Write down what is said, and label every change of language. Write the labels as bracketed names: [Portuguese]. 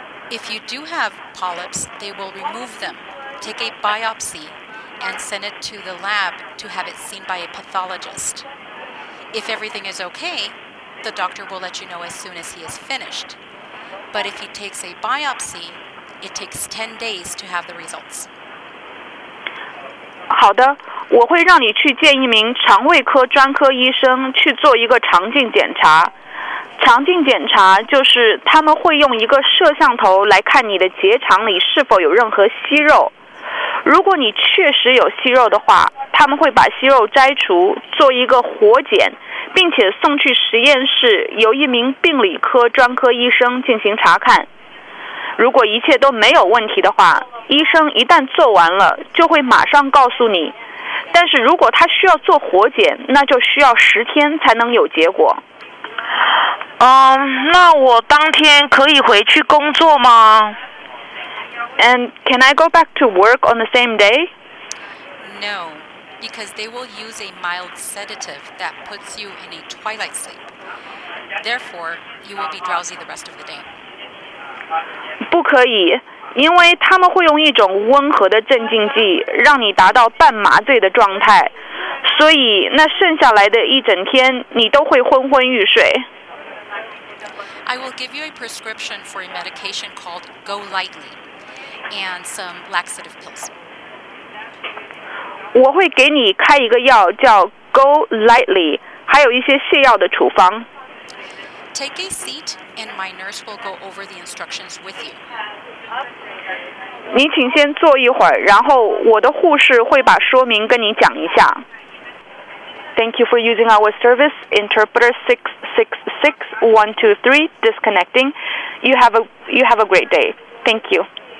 [English] If you do have polyps, they will remove them, take a biopsy, and send it to the lab to have it seen by a pathologist. If everything is okay, the doctor will let you know as soon as he is finished. But if he takes a biopsy, it takes 10 days to have the results. [Chinese] 好的，我会让你去见一名肠胃科专科医生去做一个肠镜检查。肠镜检查就是他们会用一个摄像头来看你的结肠里是否有任何息肉。如果你确实有息肉的话，他们会把息肉摘除，做一个活检，并且送去实验室，由一名病理科专科医生进行查看。如果一切都没有问题的话，医生一旦做完了，就会马上告诉你。但是如果他需要做活检，那就需要10天才能有结果。那我当天可以回去工作吗？ [English] And can I go back to work on the same day? No, because they will use a mild sedative that puts you in a twilight sleep. Therefore, you will be drowsy the rest of the day. [Chinese] 不可以，因为他们会用一种温和的镇静剂让你达到半麻醉的状态，所以那剩下来的一整天你都会昏昏欲睡。 [English] I will give you a prescription for a medication called Go Lightly and some laxative pills. [Chinese] 我会给你开一个药叫 Go Lightly, 还有一些泻药的处方。 [English] Take a seat and my nurse will go over the instructions with you. [Chinese] 你请先坐一会儿，然后我的护士会把说明跟你讲一下。 [English] Thank you for using our service, Interpreter 666-123, disconnecting. You have a great day. Thank you.